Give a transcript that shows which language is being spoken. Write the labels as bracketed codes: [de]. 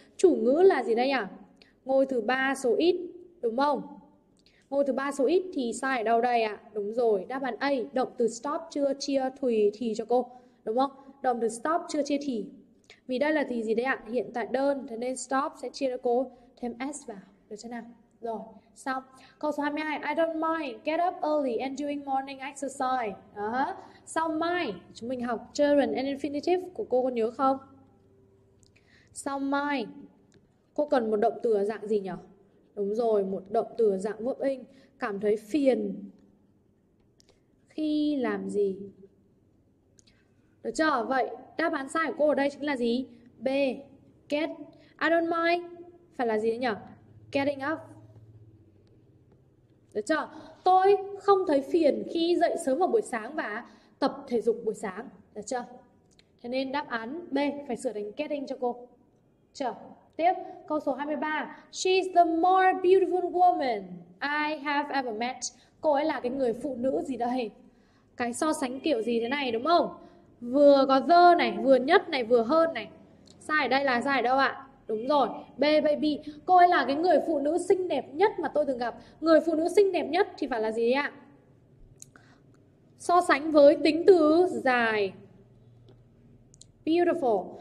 [vi] Chủ ngữ là gì đây ạ? À? Ngôi thứ ba số ít, đúng không? Ngôi thứ ba số ít thì sai ở đâu đây ạ? À? Đúng rồi, đáp án A, động từ stop chưa chia thùy thì cho cô, đúng không? Động từ stop chưa chia thì. Vì đây là thì gì đấy ạ? À? Hiện tại đơn, thế nên stop sẽ chia cho cô thêm S vào, được chưa nào? Rồi, xong. Câu số 22, [en] I don't mind get up early and doing morning exercise. [vi] Đó. Xong mai, chúng mình học gerund and infinitive của cô có nhớ không? Xong mai, cô cần một động từ ở dạng gì nhỉ? Đúng rồi, một động từ ở dạng verb ing. Cảm thấy phiền khi làm gì? Được chưa? Vậy, đáp án sai của cô ở đây chính là gì? B, [en] I don't mind. [vi] Phải là gì đấy nhỉ? [en] Getting up. [vi] Được chưa? Tôi không thấy phiền khi dậy sớm vào buổi sáng và tập thể dục buổi sáng. Được chưa? Thế nên đáp án B phải sửa thành getting cho cô. Chưa? Tiếp. Câu số 23. [en] She's the more beautiful woman I have ever met. [vi] Cô ấy là cái người phụ nữ gì đây? Cái so sánh kiểu gì thế này, đúng không? Vừa có the này, vừa nhất này, vừa hơn này. Sai ở đây là sai ở đâu ạ? Đúng rồi, B baby. Cô ấy là cái người phụ nữ xinh đẹp nhất mà tôi từng gặp. Người phụ nữ xinh đẹp nhất thì phải là gì ạ? So sánh với tính từ dài, beautiful.